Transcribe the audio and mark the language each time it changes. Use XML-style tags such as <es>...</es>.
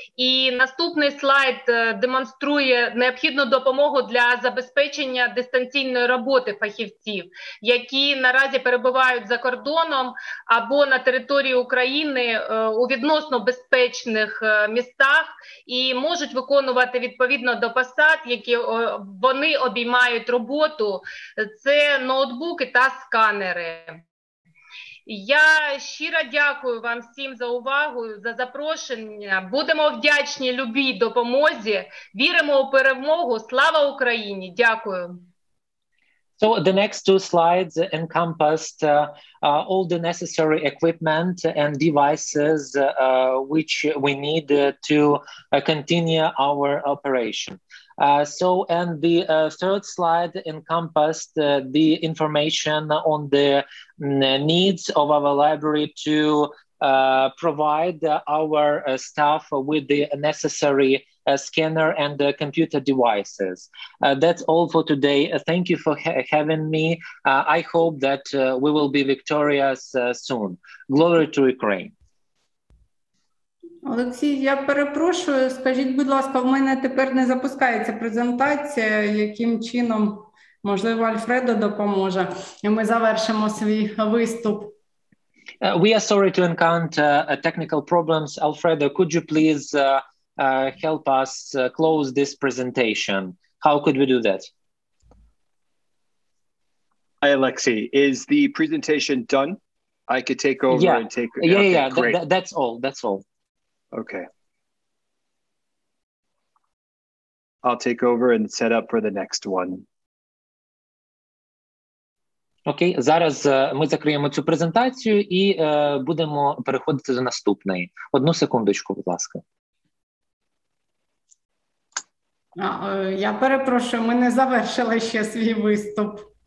<uk>І наступний слайд демонструє необхідну допомогу для забезпечення дистанційної роботи фахівців, які наразі перебувають за кордоном або на території України у відносно безпечних містах і можуть виконувати відповідно до посад, які вони обіймають роботу. Це ноутбуки та сканери. Я щиро дякую вам всім за увагу, за запрошення. Будемо вдячні любій допомозі. Віримо у перемогу. Слава Україні! Дякую.</uk> <en>So the next two slides encompassed all the necessary equipment and devices which we need to continue our operation. And the third slide encompassed the information on the needs of our library to provide our staff with the necessary scanner and computer devices. That's all for today. Thank you for having me. I hope that we will be victorious soon. Glory to Ukraine.</en> <uk>Олексій, я перепрошую, скажіть, будь ласка, в мене тепер не запускається презентація, яким чином, можливо, Альфредо допоможе, і ми завершимо свій виступ.</uk> <en>We are sorry to encounter technical problems. Alfredo, could you please help us close this presentation? How could we do that? Hi, Alexei. Is the presentation done? I could take over yeah. and take... Yeah, okay, yeah, that's all, that's all. Okay. I'll take over and set up for the next one.</en> <uk>Окей, зараз ми закриємо цю презентацію і будемо переходити до наступної. Одну секундочку, будь ласка. Я перепрошую, ми не завершили ще свій виступ.</uk>